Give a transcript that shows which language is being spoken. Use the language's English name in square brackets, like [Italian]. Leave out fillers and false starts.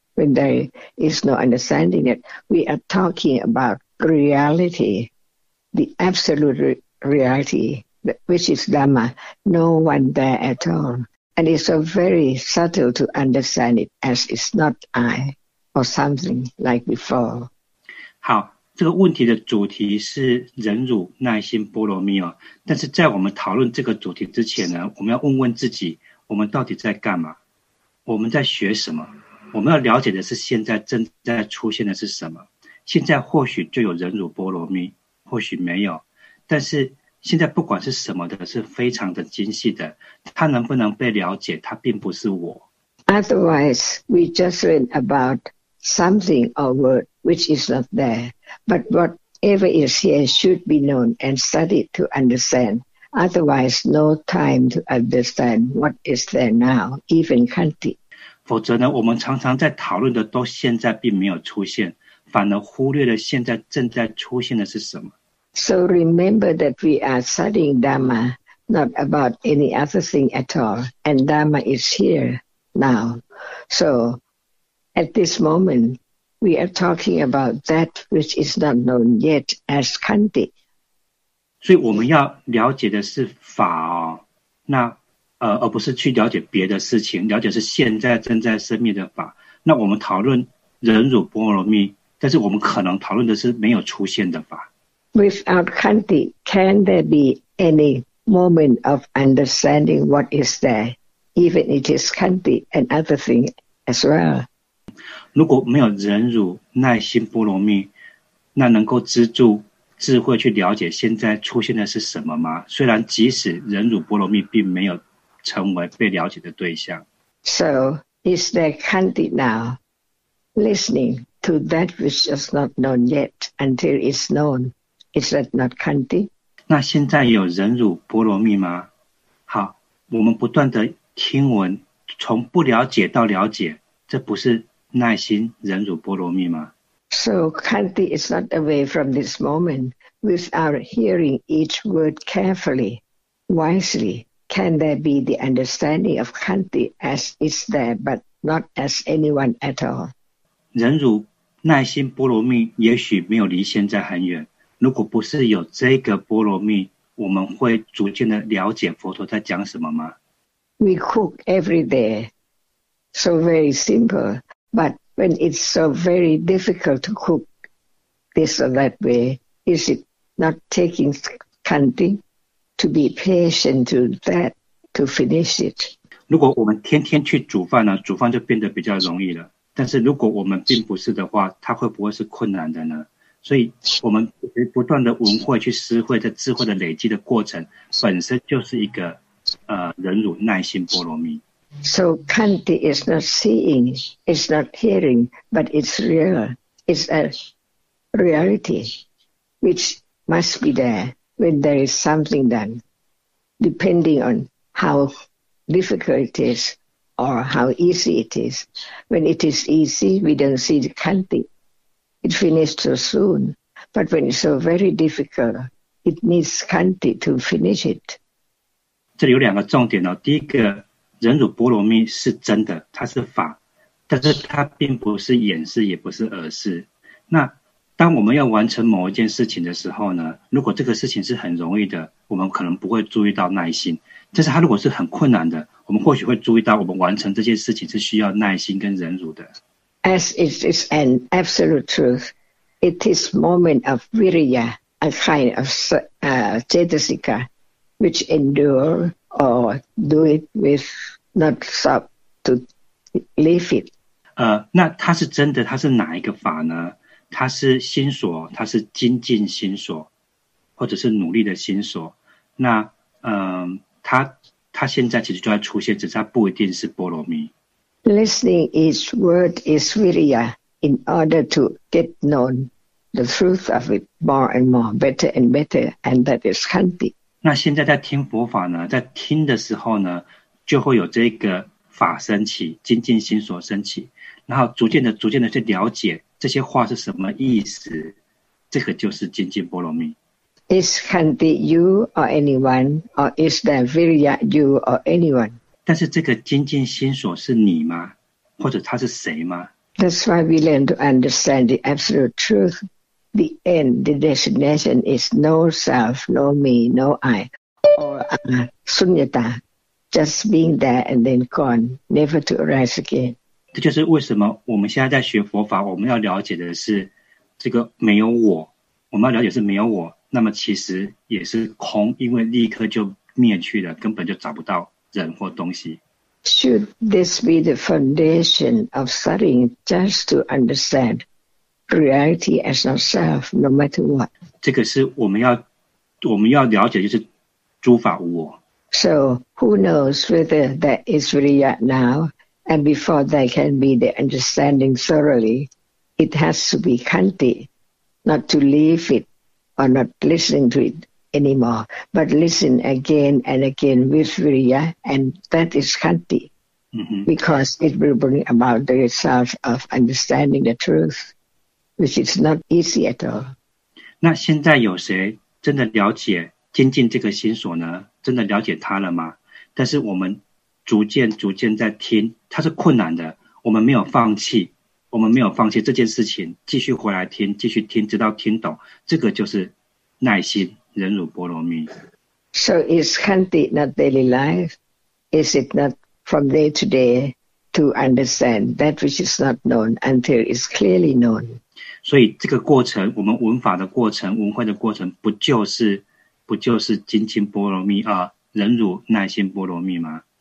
[English] When there is no understanding it, we are talking about reality, the absolute reality, which is Dhamma, no one there at all. And it's so very subtle to understand it as it's not I or something like before. [Chinese] 好，这个问题的主题是忍辱、耐心、波罗蜜哦。但是在我们讨论这个主题之前呢，我们要问问自己：我们到底在干嘛？我们在学什么？我们要了解的是现在正在出现的是什么？现在或许就有忍辱波罗蜜，或许没有。但是现在不管是什么的，是非常的精细的，它能不能被了解？它并不是我。 [English] Otherwise, we just learn about something or word which is not there. But whatever is here should be known and studied to understand. Otherwise, no time to understand what is there now, even Kanti. [Chinese] 否则呢，我们常常在讨论的都现在并没有出现，反而忽略了现在正在出现的是什么。 [English] So remember that we are studying Dhamma, not about any other thing at all. And Dhamma is here. Now, so at this moment, we are talking about that which is not known yet as Kanti. [Chinese] 所以我们要了解的是法哦，那。而不是去了解别的事情，了解是现在正在生灭的法。那我们讨论忍辱波罗蜜，但是我们可能讨论的是没有出现的法。 [English] Without Kanti, can there be any moment of understanding what is there? Even it is Kanti and other thing as well. [Chinese] 如果没有忍辱、耐心、波罗蜜，那能够资助？智慧去了解现在出现的是什么吗？虽然即使忍辱波罗蜜并没有。成为被了解的对象。 [English] So is there Kanti now, listening to that which is not known yet until it's known? Is that not Kanti? [Chinese] 那现在有忍辱波罗蜜吗？好，我们不断的听闻，从不了解到了解，这不是耐心忍辱波罗蜜吗？ [English] So Kanti is not away from this moment without hearing each word carefully, wisely. Can there be the understanding of Kanti as is there, but not as anyone at all? [Chinese] 忍辱、耐心、波罗蜜，也许没有离现在很远。如果不是有这个波罗蜜，我们会逐渐的了解佛陀在讲什么吗？ [English] We cook every day, so very simple, but when it's so very difficult to cook this or that way, is it not taking Kanti to be patient to that to finish it? [Chinese] 如果我们天天去煮饭呢，煮饭就变得比较容易了。但是如果我们并不是的话，它会不会是困难的呢？所以，我们不断的闻慧、去思慧、的智慧的累积的过程，本身就是一个忍辱、耐心、波罗蜜。 [English] So Kanti is not seeing, it's not hearing, but it's real. It's a reality which must be there when there is something done, depending on how difficult it is or how easy it is. When it is easy, we don't see the Kanti. It finished so soon. But when it's so very difficult, it needs Kanti to finish it. [Chinese] 这里有两个重点哦。第一个，忍辱波罗蜜是真的，它是法，但是它并不是掩饰，也不是耳饰。那当我们要完成某一件事情的时候呢，如果这个事情是很容易的，我们可能不会注意到耐心；但是它如果是很困难的，我们或许会注意到我们完成这些事情是需要耐心跟忍辱的。 [English] As it is an absolute truth, it is moment of viriya, a kind of cetasika, which endure or do it with not stop to leave it. [Chinese] 那它是真的，它是哪一个法呢？它是心所，它是精进心所，或者是努力的心所。那他现在其实就在出现，只是他不一定是波罗蜜。 [English] Listening is word is viriya in order to get known the truth of it more and more, better and better, and that is khanti. [Chinese] 那现在在听佛法呢，在听的时候呢，就会有这个法升起，精进心所升起，然后逐渐的去了解这些话是什么意思，这个就是精进波罗蜜。 [English] Is Khanti you or anyone, or is the Virya you or anyone? [Chinese] 但是这个精进心所是你吗？或者他是谁吗？ [English] That's why we learn to understand the absolute truth. The end, the destination is no self, no me, no I, or Sunyata, just being there and then gone, never to arise again. [Chinese] 这就是为什么我们现在在学佛法，我们要了解的是这个没有我，我们要了解是没有我。那么其实也是空，因为立刻就灭去了，根本就找不到人或东西。 [English] Should this be the foundation of studying just to understand reality as ourself, no matter what? [Chinese] 这个是我们要了解，就是诸法无我。 [English] So who knows whether that is really yet now, and before that can be the understanding thoroughly, it has to be Khanti, not to leave it. Are not listening to it anymore, but listen again and again with Virya, and that is Khanti, because it will bring about the result of understanding the truth, which is not easy at all. [Chinese] 那现在有谁真的了解精进这个心所呢？真的了解它了吗？但是我们逐渐在听，它是困难的，我们没有放弃。我们没有放弃这件事情，继续回来听，继续听，直到听懂，这个就是耐心忍辱波罗蜜。 [English] So is Khanti not daily life? Is it not from day to day to understand that which is not known until it's clearly known? [Chinese] 所以这个过程，我们闻法的过程，闻慧的过程，不就是精进波罗蜜啊，忍辱耐心波罗蜜吗？